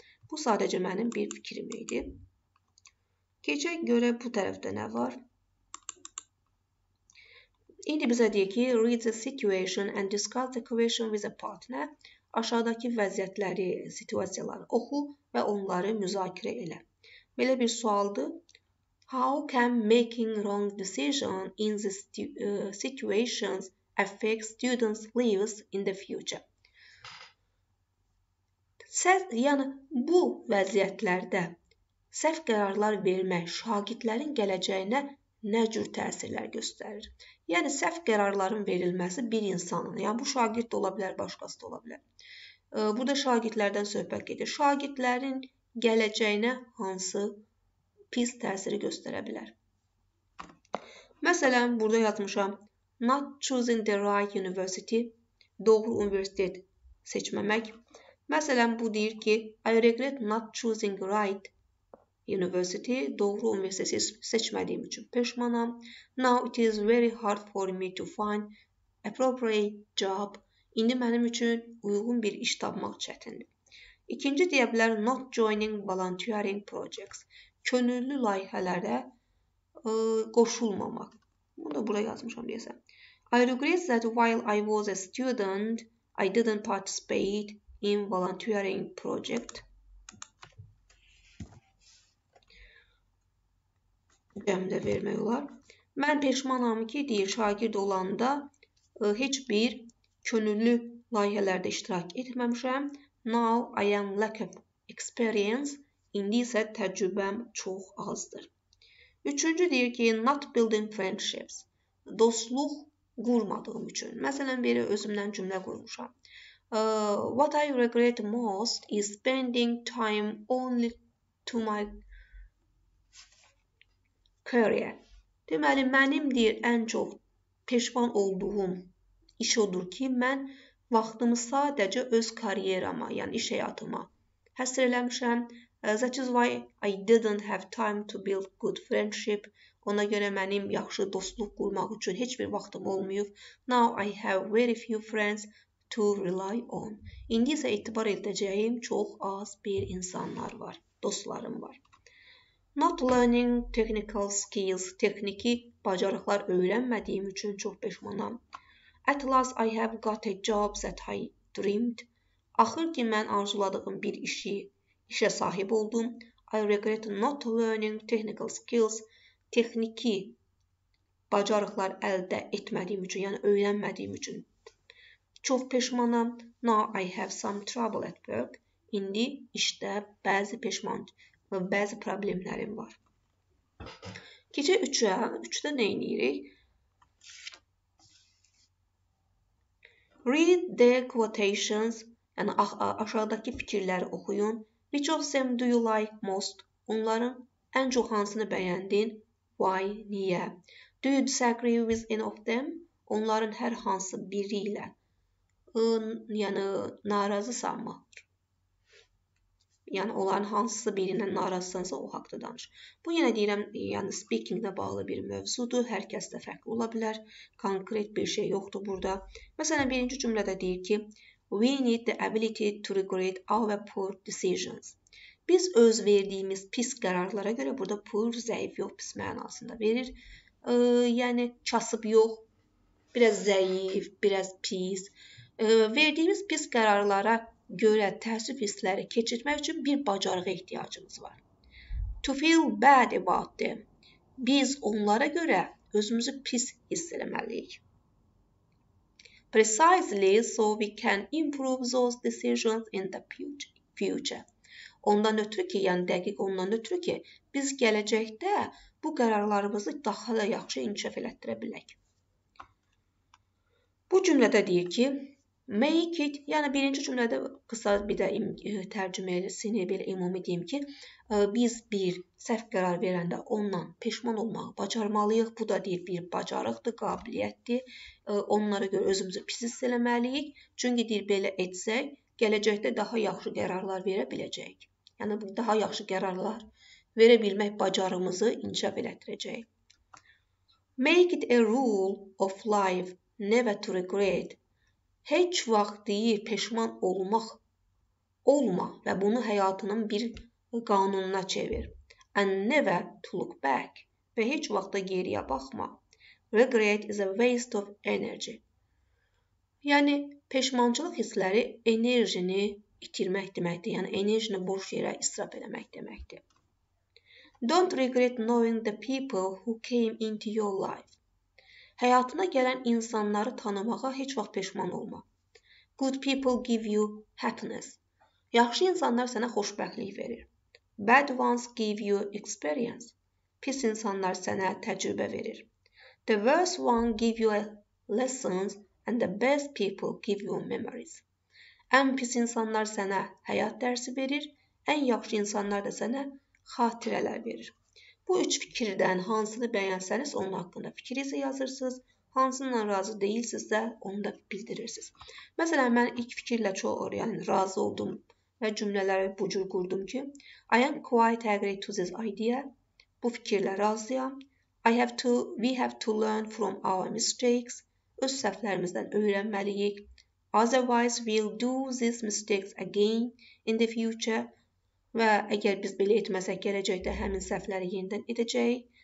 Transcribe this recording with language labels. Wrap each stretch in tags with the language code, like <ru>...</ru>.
<az>Bu sadəcə mənim bir fikrim idi. Keçək görə bu tərəfdə nə var? İndi bizə deyir ki,</az> <en>read the situation and discuss the question with a partner.</en> <az>Aşağıdakı vəziyyətləri, situasiyaları oxu və onları müzakirə elə. Belə bir sualdır.</az> <en>How can making wrong decision in the situations affect students' lives in the future?</en> <az>Yəni, bu vəziyyətlərdə səhv qərarlar vermək şagirdlərin gələcəyinə nə cür təsirlər göstərir? Yəni, səhv qərarların verilməsi bir insanın, yəni bu şagird da ola bilər, başqası da ola bilər. Burada şagirdlərdən söhbət gedir. Şagirdlərin gələcəyinə hansı pis təsiri göstərə bilər? Məsələn, burada yazmışam.</az> <en>Not choosing the right university,</en> <az>doğru universitet seçməmək. Məsələn, bu deyir ki,</az> <en>I regret not choosing right</en> <az>University, doğru üniversiteyi seçmediğim için pişmanım.</az> <en>Now it is very hard for me to find appropriate job.</en> <az>İndi benim için uygun bir iş tapmak çetindir. İkinci deyabilir,</az> <en>not joining volunteering projects.</en> <az>Könüllü layihələrə qoşulmamaq. Bunu da bura yazmışam deyəsəm.</az> <en>I regret that while I was a student, I didn't participate in volunteering project.</en> <az>Cəmdə vermək olar. Mən peşmanam ki, deyir, şagird olanda heç bir könüllü layihələrdə iştirak etməmişəm.</az> <en>Now I am lack of experience.</en> <az>İndi isə təcrübəm çox azdır. Üçüncü deyir ki,</az> <en>not building friendships.</en> <az>Dostluq qurmadığım üçün. Məsələn, biri özümdən cümlə qurmuşam.</az> <en>What I regret most is spending time only to my career.</en> <az>Deməli, mənim deyir, ən çox peşman olduğum iş odur ki, mən vaxtımı sadəcə öz kariyerama, yəni iş həyatıma həsr eləmişəm.</az> <en>That is why I didn't have time to build good friendship.</en> <az>Ona görə mənim yaxşı dostluq qurmaq üçün heç bir vaxtım olmayıb.</az> <en>Now I have very few friends to rely on.</en> <az>İndi isə etibar edəcəyim çox az bir insanlar var, dostlarım var.</az> <en>Not learning technical skills.</en> <az>Texniki bacarıqlar öyrənmədiyim üçün çox peşmanam.</az> <en>At last I have got a job that I dreamed.</en> <az>Axır ki, mən arzuladığım bir işi işə sahib oldum.</az> <en>I regret not learning technical skills.</en> <az>Texniki bacarıqlar əldə etmədiyim üçün, yəni öyrənmədiyim üçün çox peşmanam.</az> <en>Now I have some trouble at work.</en> <az>İndi işdə bəzi bəzi problemlərim var. Gecə 3-də nə edirik?</az> <en>Read the quotations,</en> <az>yəni aşağıdakı fikirləri oxuyun.</az> <en>Which of them do you like most?</en> <az>Onların ən çox hansını bəyəndin?</az> <en>Why,</en> <az>niyə?</az> <en>Do you disagree with any of them?</en> <az>Onların hər hansı biri ilə yəni narazısanmı? Yəni onların hansısı birindən narazısansa o haqda danış. Bu yenə deyirəm, yəni speakinglə bağlı bir mövzudur. Hər kəs də fərqli ola bilər. Konkret bir şey yoxdur burada. Məsələn, birinci cümlədə deyir ki,</az> <en>We need the ability to regret our poor decisions.</en> <az>Biz öz verdiyimiz pis qərarlara görə burada poor zəif yox pis mənasında verir. Yəni kasıb yox, biraz zəif, biraz pis. Verdiyimiz pis qərarlara görə təəssüf hissləri keçirmək üçün bir bacarığa ihtiyacımız var.</az> <en>To feel bad about them.</en> <az>Biz onlara görə özümüzü pis hiss eləməliyik.</az> <en>Precisely so we can improve those decisions in the future.</en> <az>Ondan ötürü ki, yəni dəqiq ondan ötürü ki, biz gələcəkdə bu qərarlarımızı daha da yaxşı inkişaf elətdirə bilək. Bu cümlədə deyir ki,</az> <en>Make it,</en> <az>yəni birinci cümlədə qısa bir də tərcüməsini belə ümumi deyim ki, biz bir səhv qərar verəndə ondan peşman olmağı bacarmalıyıq. Bu da deyir bir bacarıqdır, qabiliyyətdir. Onlara görə özümüzü pis hiss eləməliyik. Çünki deyir belə etsək, gələcəkdə daha yaxşı qərarlar verə biləcəyik. Yəni daha yaxşı qərarlar verə bilmək bacarımızı inkişaf elətdirəcək.</az> <en>Make it a rule of life never to regret.</en> <az>Heç vaxt deyir, peşman olmaq olma və bunu həyatının bir qanununa çevir.</az> <en>And never to look back</en> <az>və heç vaxta geriyə baxma.</az> <en>Regret is a waste of energy.</en> <az>Yəni, peşmançılıq hissləri enerjini itirmək deməkdir, yəni enerjini boş yerə israf eləmək deməkdir.</az> <en>Don't regret knowing the people who came into your life.</en> <az>Həyatına gələn insanları tanımağa heç vaxt peşman olma.</az> <en>Good people give you happiness.</en> <az>Yaxşı insanlar sənə xoşbəxtlik verir.</az> <en>Bad ones give you experience.</en> <az>Pis insanlar sənə təcrübə verir.</az> <en>The worst ones give you lessons and the best people give you memories.</en> <az>Ən pis insanlar sənə həyat dərsi verir, ən yaxşı insanlar da sənə xatirələr verir. Bu üç fikirdən hansını bəyənsəniz, onun haqqında fikrinizi yazırsınız. Hansınla razı deyilsinizsə, onu da bildirirsiniz. Məsələn, mən ilk fikirlə çox yəni razı oldum Ve cümleleri bu cür qurdum ki,</az> <en>I am quite agree to this idea.</en> <az>Bu fikirlə razıyam.</az> <en>We have to learn from our mistakes.</en> <az>Öz səhvlərimizdən öyrənməliyik.</az> <en>Otherwise, we'll do these mistakes again in the future.</en> <az>Və əgər biz belə etməsək, gələcəkdə həmin səhvləri yenidən edəcəyik.</az>